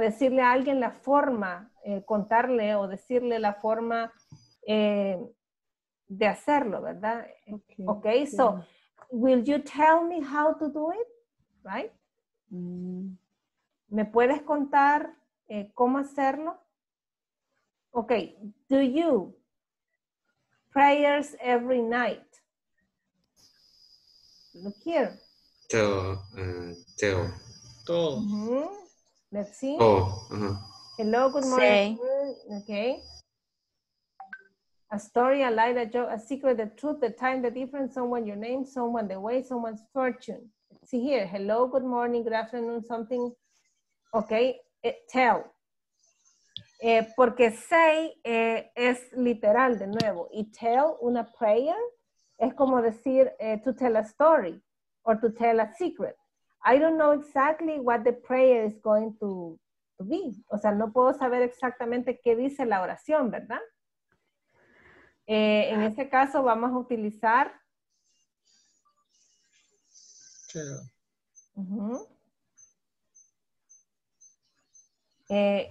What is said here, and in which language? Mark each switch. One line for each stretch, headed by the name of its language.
Spanish: Decirle a alguien la forma, contarle o decirle la forma de hacerlo, ¿verdad?
English: Okay, okay, so will you tell me how to do it? Right?
Spanish: ¿Me puedes contar cómo hacerlo?
English: Okay, do you prayers every night? Look here. Tell. Tell. Mm-hmm. Let's see. Oh, uh-huh. Hello, good morning. Say. Okay. A story, a lie, a joke, a secret, the truth, the time, the difference, someone, your name, someone, the way, someone's fortune. Let's see here. Hello, good morning, good afternoon, something. Okay. Tell.
Spanish: Porque say es literal de nuevo.
English: Y tell, una prayer,
Spanish: es como decir
English: to tell a story or to tell a secret. I don't know exactly what the prayer is going to be.
Spanish: O sea, no puedo saber exactamente qué dice la oración, ¿verdad? En este caso vamos a utilizar.
English: Tell.